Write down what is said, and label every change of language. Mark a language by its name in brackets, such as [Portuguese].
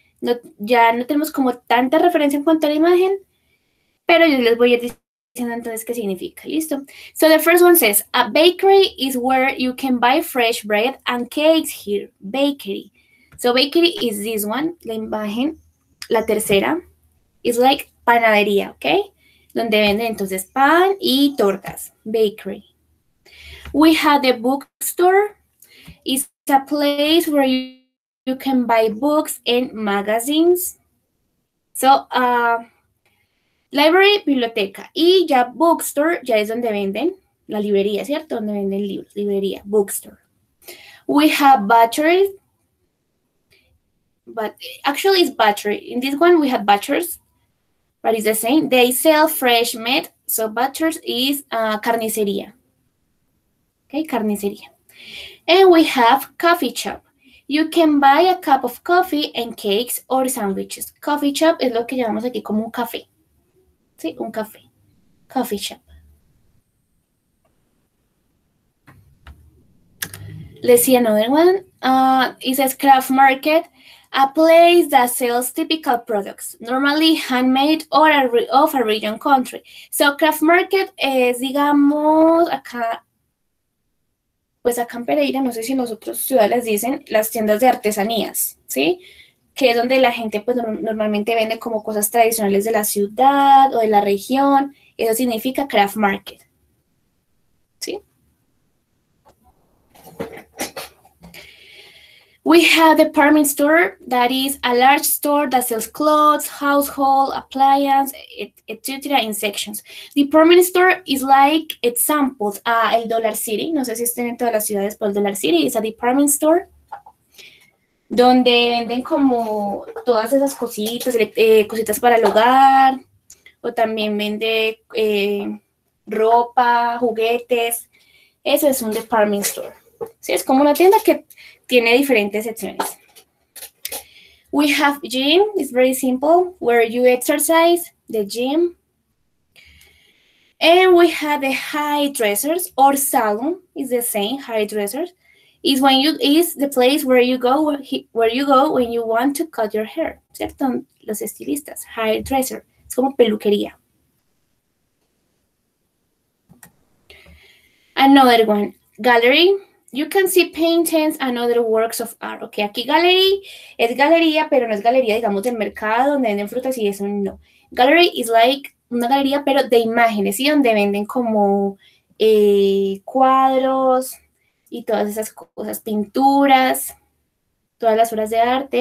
[Spanish] No, ya no tenemos como tanta referencia en cuanto a la imagen. Pero yo les voy a ir diciendo entonces qué significa, ¿listo? [English] So the first one says, a bakery is where you can buy fresh bread and cakes here, bakery. So bakery is this one, [Spanish] la imagen, la tercera, [English] is like panadería, ¿ok? [Spanish] Donde venden entonces pan y tortas, bakery. [English] We have the bookstore, it's a place where you can buy books and magazines. [Spanish] So, library, biblioteca, y ya bookstore, ya es donde venden, la librería, ¿cierto? Donde venden libros, librería, [English] bookstore. We have butchers, but actually it's butchery. In this one we have butchers, but it's the same. They sell fresh meat, so butchers is carnicería. Okay, carnicería. And we have coffee shop. You can buy a cup of coffee and cakes or sandwiches. [Spanish] Coffee shop es lo que llamamos aquí como un café. Sí, un café. Coffee shop. [English] Let's see another one. It says craft market, a place that sells typical products, normally handmade or of a region country. [Spanish] So craft market es, digamos, acá, pues acá en Pereira, no sé si nosotros ciudades dicen las tiendas de artesanías, ¿sí? Que es donde la gente pues normalmente vende como cosas tradicionales de la ciudad o de la región. Eso significa craft market. ¿Sí? [English] We have a department store that is a large store that sells clothes, household appliance, etcétera, in sections. Department store is like examples a El Dollar City. [Spanish] No sé si estén en todas las ciudades, pero El Dollar City es a department store donde venden como todas esas cositas para el hogar, o también vende ropa, juguetes. Eso es un department store. Sí, es como una tienda que tiene diferentes secciones. [English] We have gym, it's very simple, where you exercise, the gym. And we have the hairdressers or salon, is the same, hairdressers. It's when you is the place where you go when you want to cut your hair, ¿cierto? [Spanish] Los estilistas, hairdresser, es como peluquería. [English] Another one, gallery. You can see paintings and other works of art. [Spanish] Ok, aquí gallery es galería, pero no es galería, digamos, del mercado donde venden frutas y eso no. [English] Gallery is like [Spanish] una galería, pero de imágenes, ¿sí? Donde venden como cuadros y todas esas cosas, pinturas, todas las obras de arte.